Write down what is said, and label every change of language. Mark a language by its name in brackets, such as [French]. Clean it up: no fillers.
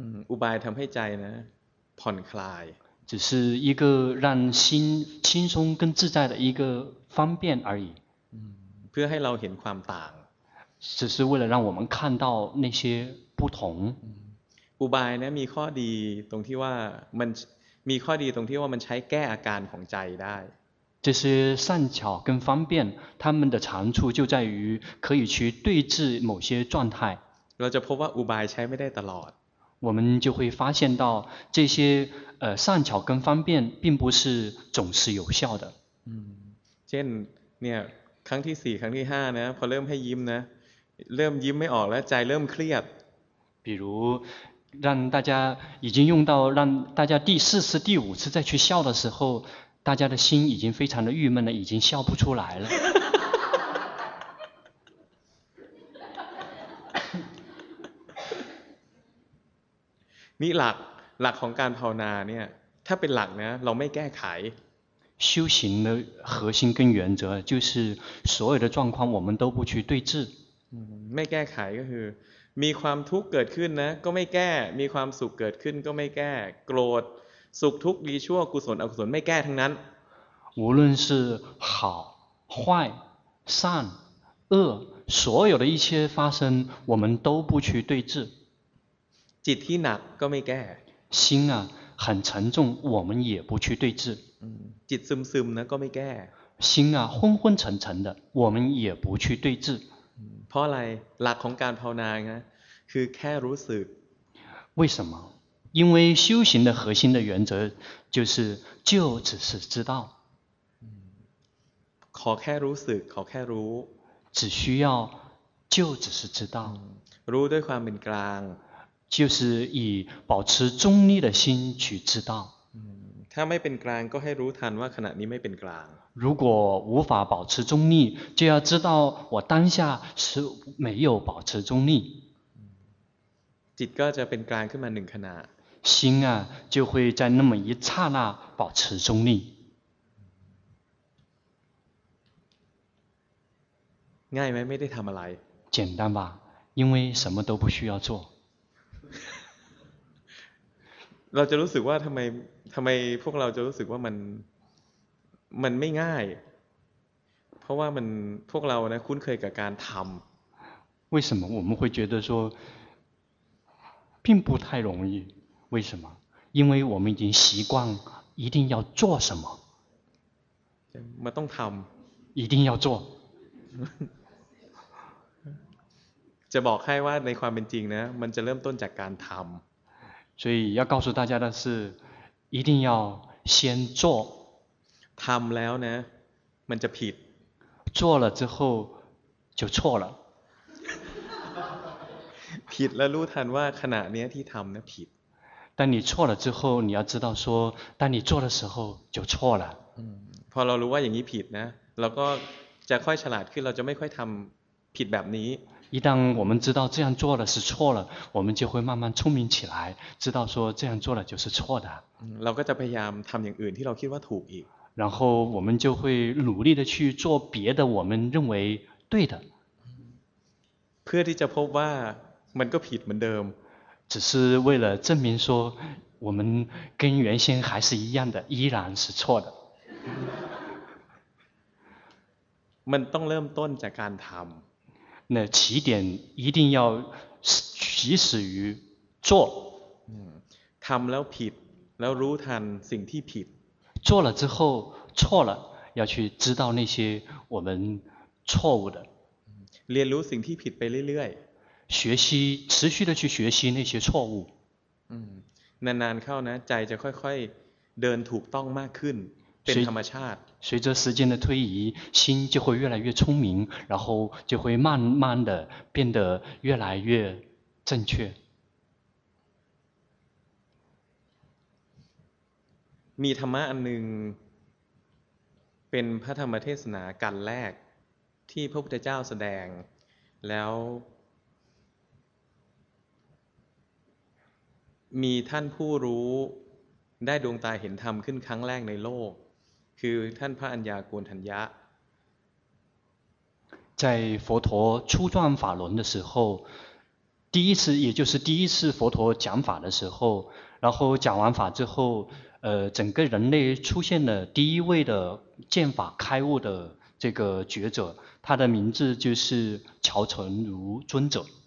[Thai] อุบายทำให้ใจนะผ่อนคลาย [Chinese] 只是一个让心轻松跟自在的一个方便而已 [Thai] เพื่อให้เราเห็นความต่าง [Chinese] 只是为了让我们看到那些不同 [Thai] อุบายนะมีข้อดีตรงที่ว่ามันมีข้อดีตรงที่ว่ามันใช้แก้อาการของใจได้ [Chinese] 这些善巧跟方便它们的长处就在于可以去对治某些状态 [Thai] เราจะพบว่าอุบายใช้ไม่ได้ตลอด [Chinese] 我们就会发现到这些善巧跟方便并不是总是有效的 [Thai] เช่นเนี่ยครั้งที่4ครั้งที่5นะพอเริ่มให้ยิ้มนะเริ่มยิ้มไม่ออกแล้วใจเริ่มเครียด [Chinese] 比如让大家已经用到让大家第四次第五次再去笑的时候大家的心已经非常的郁闷了已经笑不出来了 [Thai] นี่หลักของการภาวนาเนี่ยถ้าเป็นหลักนะเราไม่แก้ไข [Chinese] 修行的核心跟原则就是所有的状况我们都不去对治 [Thai] ไม่แก้ไขก็คือมีความทุกข์เกิดขึ้นนะก็ไม่แก้มีความสุขเกิดขึ้นก็ไม่แก้โกรธสุขทุกข์ดีชั่วกุศลอกุศลไม่แก้ทั้งนั้น [Chinese] 无论是好坏善恶所有的一切发生我们都不去对治 [Thai] จิตที่หนักก็ไม่แก้ [Chinese] 心啊很沉重我们也不去对治 [Thai] จิตซึมๆนะก็ไม่แก้ [Chinese] 心啊昏昏沉沉的我们也不去对治 [Thai] เพราะอะไรหลักของการภาวนานะคือแค่รู้สึก [Chinese] 为什么因为修行的核心的原则就是就只是知道 [Thai] ขอแค่รู้สึกขอแค่รู้ [Chinese] 只需要就只是知道 [Thai] รู้ด้วยความเป็นกลาง [Chinese] 就是以保持中立的心去知道 [Thai] ถ้าไม่เป็นกลางก็ให้รู้ทันว่าขณะนี้ไม่เป็นกลาง [Chinese] 如果无法保持中立就要知道我当下是没有保持中立 [Thai] จิตก็จะเป็นกลางขึ้นมาหนึ่งขณะ [Chinese] 心啊就会在那么一刹那保持中立 [Thai] ง่ายไหมไม่ได้ทำอะไร [Chinese] 简单吧因为什么都不需要做 [Thai] เราจะรู้สึกว่าทำไมพวกเราจะรู้สึกว่ามันไม่ง่ายเพราะว่ามันพวกเรานะคุ้นเคยกับการทำ [Chinese] 为什么我们会觉得说并不太容易为什么因为我们已经习惯一定要做什么 [Thai] มันต้องทำ [Chinese] 一定要做 [Thai] จะบอกให้ว่าในความเป็นจริงนะมันจะเริ่มต้นจากการทำ [Chinese] 所以要告诉大家的是一定要先做 [Thai] ทำแล้วนะมันจะผิด [Chinese] 做了之后就错了 [Thai] ผิดแล้วรู้ทันว่าขณะนี้ที่ทำนะผิด [Chinese] 但你错了之后你要知道说当你做的时候就错了 [Thai] พอเรารู้ว่าอย่างนี้ผิดนะเราก็จะค่อยฉลาดขึ้นเราจะไม่ค่อยทำผิดแบบนี้ [Chinese] 一旦我们知道这样做了是错了我们就会慢慢聪明起来知道说这样做了就是错的 [Thai] เราก็จะพยายามทำอย่างอื่นที่เราคิดว่าถูกอีก [Chinese] 然后我们就会努力的去做别的我们认为对的 [Thai] เพื่อที่จะพบว่ามันก็ผิดเหมือนเดิม [Chinese] 只是为了证明说我们跟原先还是一样的依然是错的 [Thai] มันต้องเริ่มต้นจากการทำ [Chinese] 那起点一定要起始于做 [Thai] ทำแล้วผิดแล้วรู้ทันสิ่งที่ผิด [Chinese] 做了之后错了要去知道那些我们错误的 [Thai] เรียนรู้สิ่งที่ผิดไปเรื่อยๆ [Chinese] 学习持续的去学习那些错误 [Thai] นานๆเข้านะใจจะค่อยๆเดินถูกต้องมากขึ้นเป็นธรรมชาติ [Chinese] 随着时间的推移心就会越来越聪明然后就会慢慢的变得越来越正确 [Thai] มีธรรมะอันหนึ่งเป็นพระธรรมเทศนากันแรกที่พระพุทธเจ้าแสดงแล้วมีท่านผู้รู้ได้ดวงตาเห็นธรรมขึ้นครั้งแรกในโลกคือท่านพระอัญญาโกณฑัญญะ [Chinese] 在佛陀初转法轮的时候第一次也就是第一次佛陀讲法的时候然后讲完法之后整个人类出现了第一位的见法开悟的这个觉者他的名字就是乔成儒尊者